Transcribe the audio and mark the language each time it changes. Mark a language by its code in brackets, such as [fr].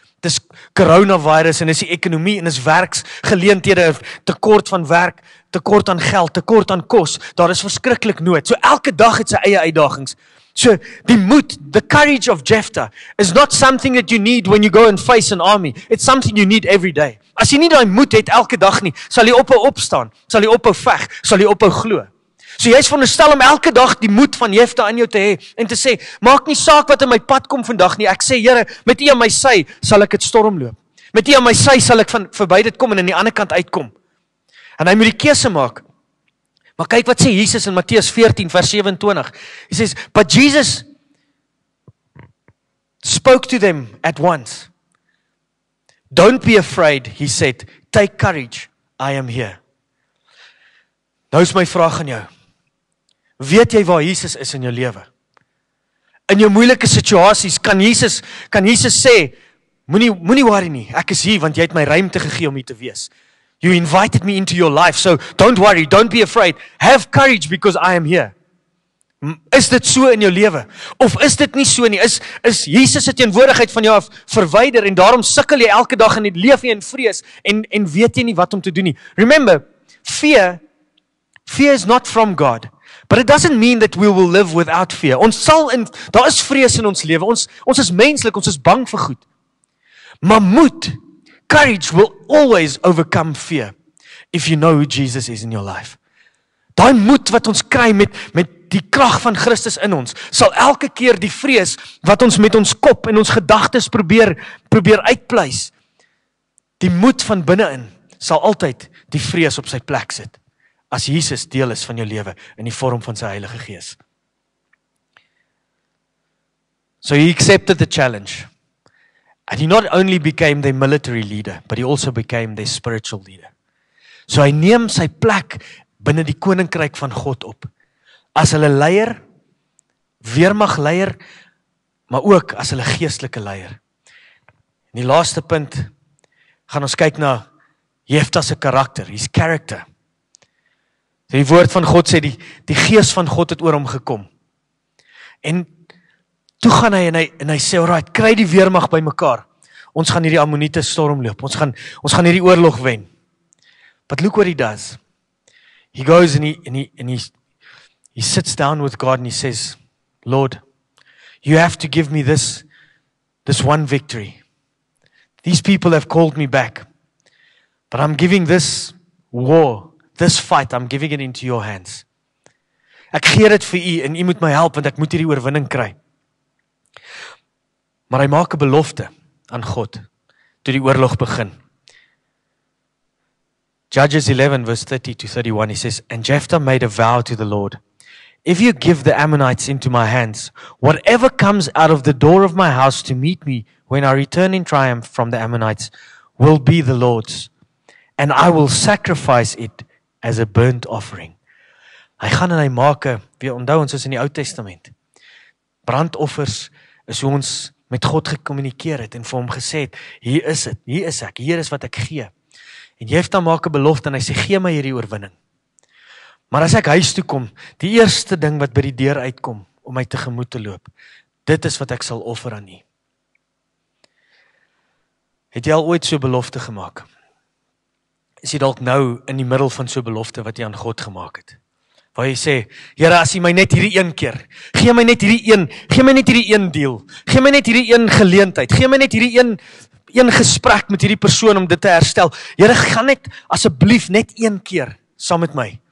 [af] Het is coronavirus en is die ekonomie en is werksgeleenthede, tekort van werk, tekort aan geld, tekort aan kos. Daar is verskriklik nood. So elke dag het sy eie uitdagings. So die moed, [en] the courage of Jephthah, is not something that you need when you go and face an army. It's something you need every day. [af] As jy nie die moed het elke dag nie, sal jy ophou opstaan, sal jy ophou veg, sal jy ophou glo. So jy is veronderstel om elke dag die moed van Jephthah aan jou te hê en te sê, maak nie saak wat in my pad kom vandag nie, ek sê, Here, met u aan my sy sal ek het stormloop. Met u aan my sy sal ek van verby dit kom en aan die ander kant uitkom. En hy moet die keuse maak. Maar kyk wat sê Jesus in Matteus 14 vers 27. Hy sê, [en] but Jesus spoke to them at once. Don't be afraid, he said. Take courage, I am here. [af] Nou is my vraag aan jou. Weet jy waar Jesus is in jou lewe? In jou moeilike situasies, kan Jesus sê, moenie worry nie, ek is hier, want jy het my ruimte gegee om hier te wees. [en] You invited me into your life, so don't worry, don't be afraid. Have courage because I am here. [af] Is dit so in jou lewe? Of is dit nie so nie? Is Jesus die teenwoordigheid van jou af verwyder en daarom sukkel jy elke dag en het leef jy in vrees en weet jy nie wat om te doen nie? [en] Remember, fear is not from God. But it doesn't mean that we will live without fear. [af] Ons sal in, daar is vrees in ons lewe. Ons is menslik, ons is bang vir goed. Maar moed, [en] courage will always overcome fear if you know who Jesus is in your life. [af] Daai moed wat ons kry met die krag van Christus in ons, sal elke keer die vrees wat ons met ons kop en ons gedagtes probeer uitpleis, die moed van binnenin sal altyd die vrees op sy plek sit, as Jesus deel is van jou lewe in die vorm van sy Heilige Gees. [en] So he accepted the challenge. And he not only became their military leader, but he also became their spiritual leader. [af] So hy neem sy plek binnen die koninkryk van God op. As hulle leier, weermagleier, maar ook as hulle geestelike leier. En die laaste punt, gaan ons kyk na Jephthah se karakter, [en] his character. [af] Die woord van God sê, die gees van God het oor hom gekom. En toe gaan hy en hy sê, alright, kry die weermag by mekaar. Ons gaan hierdie ammoniete stormloop. Ons gaan hierdie oorlog wen. [en] But look what he does. He goes and he sits down with God and he says, Lord, you have to give me this one victory. These people have called me back. But I'm giving this war, this fight, I'm giving it into your hands. [af] Ek gee dit vir u en u moet my help want ek moet hierdie oorwinning kry. Maar hy maak 'n belofte aan God toe die oorlog begin. [en] Judges 11 verse 30 to 31, he says, and Jephthah made a vow to the Lord, if you give the Ammonites into my hands, whatever comes out of the door of my house to meet me when I return in triumph from the Ammonites will be the Lord's, and I will sacrifice it as a burnt offering. [af] Hy gaan en hy maak, weer onthou ons is in die Ou Testament, brandoffers is hoe ons met God gekommunikeer het en vir hom gesê het, hier is het, hier is ek, hier is wat ek gee. En Jephthah maak 'n belofte en hy sê, gee my hierdie oorwinning. Maar as ek huis toe kom, die eerste ding wat by die deur uitkom, om my tegemoet te loop, dit is wat ek sal offer aan nie. Het jy al ooit so belofte gemaak? Is jy dalk nou in die middel van so belofte wat jy aan God gemaak het? Waar jy sê, Here, as jy my net hierdie een keer, gee my net hierdie een deal, gee my net hierdie een geleentheid, gee my net hierdie een gesprek met hierdie persoon om dit te herstel. Here, gaan net asseblief net een keer saam met my.